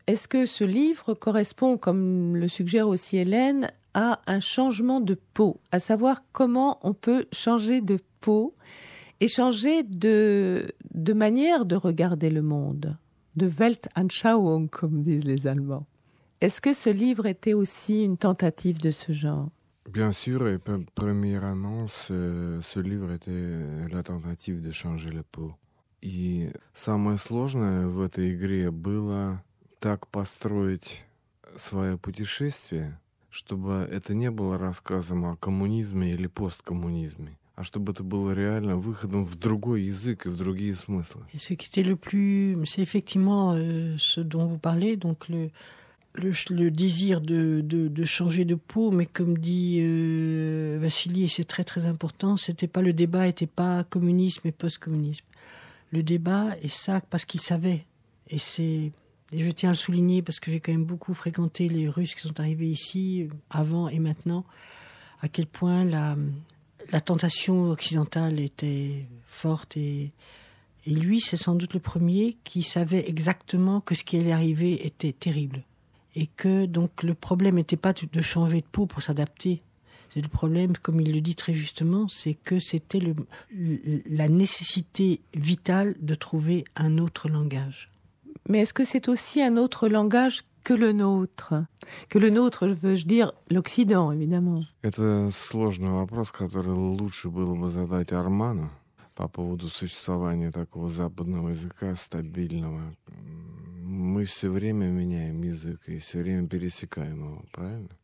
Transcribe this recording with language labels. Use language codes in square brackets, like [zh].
[fr] Est-ce que ce livre correspond, comme le suggère aussi Hélène, à un changement de peau, à savoir comment on peut changer de peau et changer de manière de regarder le monde, de Weltanschauung, comme disent les Allemands. Est-ce que ce livre était aussi une tentative de ce genre? Bien sûr, et premièrement, ce livre était la tentative de changer la peau. [ru] Et самое сложное в этой игре было так построить свое путешествие, чтобы это не было рассказом о коммунизме или посткоммунизме, а чтобы это было реально выходом в другой язык и в другие смыслы. [fr] Et ce qui était le plus, c'est effectivement ce dont vous parlez, donc le désir de changer de peau, mais comme dit Vassili, c'est très très important. C'était pas le débat, était pas communisme et post-communisme. Le débat est ça parce qu'il savait. Et je tiens à le souligner parce que j'ai quand même beaucoup fréquenté les Russes qui sont arrivés ici avant et maintenant. À quel point la tentation occidentale était forte et lui, c'est sans doute le premier qui savait exactement que ce qui allait arriver était terrible. Et que donc le problème n'était pas de changer de peau pour s'adapter. C'est le problème, comme il le dit très justement, c'est que c'était la nécessité vitale de trouver un autre langage. Mais est-ce que c'est aussi un autre langage que le nôtre? Que le nôtre, veux-je dire, l'Occident, évidemment. C'est un [ru] сложный вопрос, который лучше было бы задать Арману по поводу существования такого западного языка стабильного. Мы все время меняем язык и все время пересекаем его, правильно?